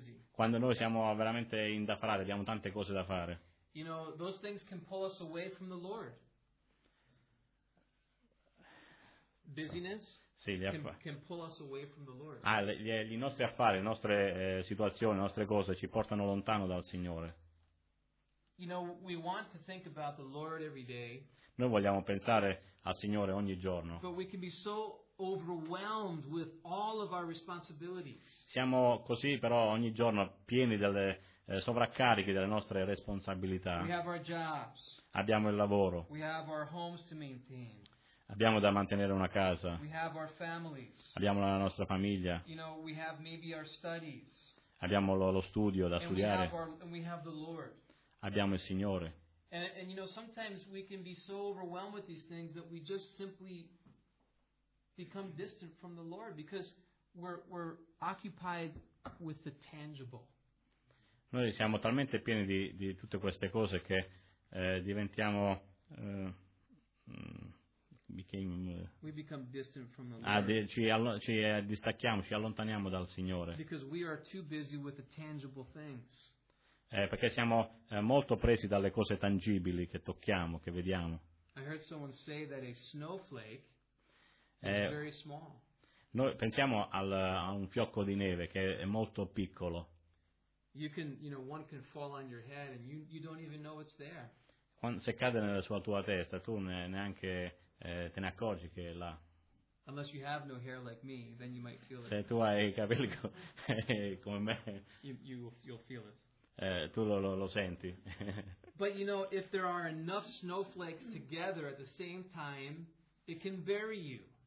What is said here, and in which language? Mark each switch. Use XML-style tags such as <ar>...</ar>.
<it>Quando noi siamo veramente indaffarati, abbiamo tante cose da fare.</it> <en>You know, those things can pull us away from the Lord. Busyness can pull us away from the Lord.</en> <it>I nostri affari, le nostre situazioni, le nostre cose ci portano lontano dal Signore.</it> <en>You know, we want to think about the Lord every day.</en> <it>Noi vogliamo pensare al Signore ogni giorno.</it> <en>But we can be so overwhelmed with all of our responsibilities.</en> <it>Siamo così però ogni giorno pieni delle sovraccarichi delle nostre responsabilità.</it> <en>We have our jobs.</en> <it>Abbiamo il lavoro.</it> <en>We have our homes to maintain.</en> <it>Abbiamo da mantenere una casa.</it> <en>We have our families.</en> <it>Abbiamo la nostra famiglia.</it> <en>You know, we have maybe our studies.</en> <it>Abbiamo lo studio da</it> <en>and</en> <it>studiare.</it> <en>And we have the Lord.</en> <it>Abbiamo il Signore.</it> <en>And you know, sometimes we can be so overwhelmed with these things that we just simply become distant from the Lord because we're occupied with the tangible.</en> <it>Noi siamo talmente pieni di tutte queste cose che diventiamo distacchiamo, ci allontaniamo dal Signore.</it> <en>Because we are too busy with the tangible things.</en> <it>Perché siamo molto presi dalle cose tangibili che tocchiamo, che vediamo.</it> <en>I heard someone say that a snowflake is very small.</en> <it>Noi pensiamo a un fiocco di neve che è molto piccolo.</it> <en>You can, you know, one can fall on your head and you don't even know it's there.</en> <it>Se cade nella sua tua testa, tu neanche te ne accorgi che è là.</it> <en>Unless you have no hair like me, then you might feel it.</en> <it>Se tu hai i capelli come me,</it> <en>you'll feel it.</en> <it>Tu lo senti.</it> <en>But you know, if there are enough snowflakes together at the same time, it can bury you.</en>